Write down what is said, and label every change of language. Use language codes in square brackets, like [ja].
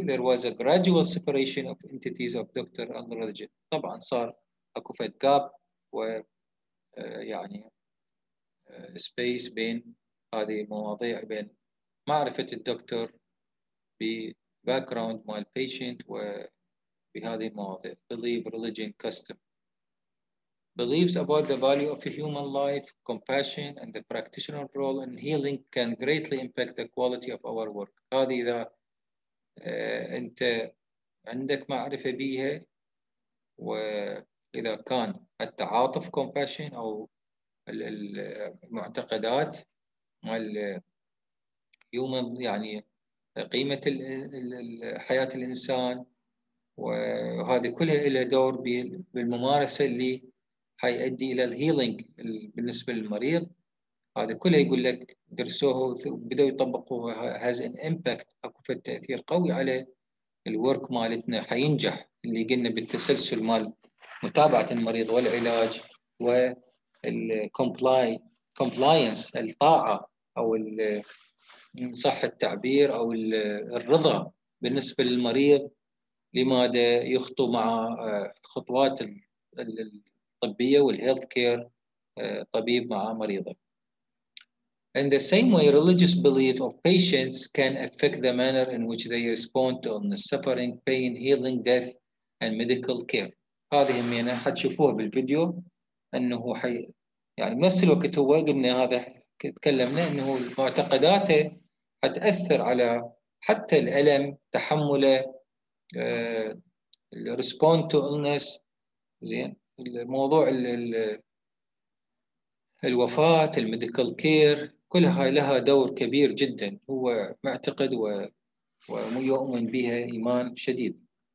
[en] There was a gradual separation of entities of doctor and religion. [ar] طبعا صار أكو فد gap و يعني space بين هذه المواضيع، بين معرفة الدكتور ب background مع ال patient وبهذه المواضيع [en] believe religion custom. Beliefs about the value of human life, compassion, and the practitioner role in healing can greatly impact the quality of our work. [ar] هذه إذا أنت عندك معرفة بيها، وإذا كان التعاطف compassion أو المعتقدات مع human يعني قيمة الحياة الإنسان، وهذه كلها لها دور بالممارسة اللي هيؤدي إلى الهيلينج بالنسبة للمريض. هذا كله يقول لك درسوه وبدأوا يطبقوه، [en] has an impact، [ar] أكو في التأثير قوي على الورك مالتنا، حينجح اللي قلنا بالتسلسل مال متابعة المريض والعلاج والcompliance الطاعة أو صح التعبير أو الرضا بالنسبة للمريض لماذا يخطو مع خطوات الطبية والهيلث كير طبيب مع مريضه. [en] In the same way, religious belief of patients can affect the manner in which they respond to illness, suffering, pain, healing, death, and medical care. [ar] هذه همينة حتشوفوها بالفيديو، أنه يعني بنفس الوقت هو قلنا هذا تكلمنا أنه معتقداته حتأثر على حتى الألم، تحمله [en] respond to illness، [ar] زين الموضوع الوفاة، الميديكال كير، كلها لها دور كبير جدا، هو معتقد ويؤمن بها إيمان شديد.